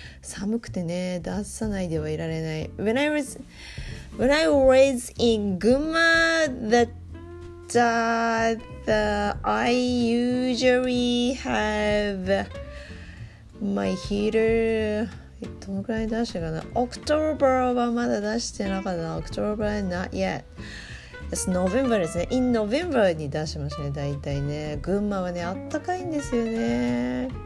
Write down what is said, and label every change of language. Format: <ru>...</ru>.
<ja>寒くてね、出さないではいられない。</ja> <en>When I was in Gunma, I usually have my heater.</en> <ja>どのくらい出したかな?</ja> <en>October</en> <ja>はまだ出してなかったな。</ja> <en>October not yet. It's November</en> <ja>ですね。</ja> <en>In November</en> <ja>に出しましたね。だいたいね。群馬はね、あったかいんですよね。</ja>